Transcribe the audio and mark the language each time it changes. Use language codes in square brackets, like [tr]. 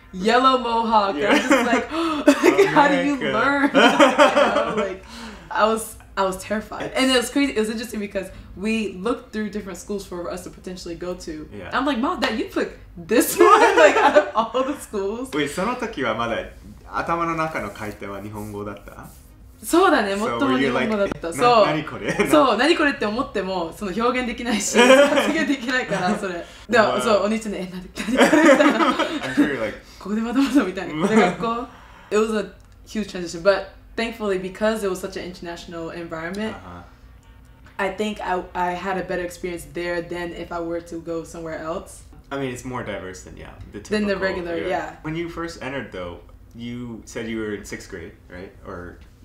[en] yellow mohawk. Yeah. I was just like, how do you learn? I was terrified. And it was crazy. It was interesting because we looked through different schools for us to potentially go to. Yeah. I'm like, Mom, Dad, you pick this one like out of all the schools. [ja] Wait, その時はまだ頭の中の回転は日本語だった? そうだね、もっとも日本語だった。そう、何これ? そう、何これって思っても、その表現できないし、発言できないから、それ。でも、そう、お兄ちゃんに、え、何これ?みたいな。ここでまだまだみたいな。これ学校? [en] It was a huge transition, but thankfully, because it was such an international environment, I think I had a better experience there than if I were to go somewhere else. I mean, it's more diverse than, yeah, the typical. Than the regular, yeah. When you first entered, though, you said you were in sixth grade, right? Or...